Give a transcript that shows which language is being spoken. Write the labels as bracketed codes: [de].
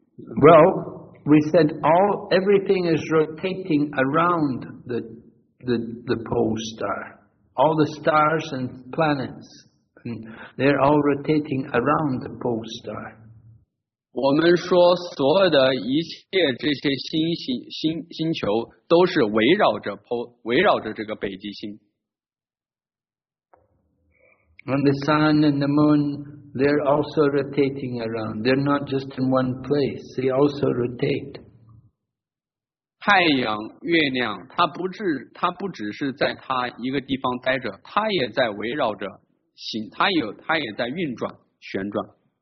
[en] Well, we said everything is rotating around the pole star. All the stars and planets, they're all rotating around the pole star. [zh] 我们说所有的一切这些星球都是围绕着这个北极星。 [en] And the sun and the moon, they're also rotating around. They're not just in one place. They also rotate. [zh] 太阳、月亮，它不只是在它一个地方待着，它也在围绕着，它也在运转、旋转。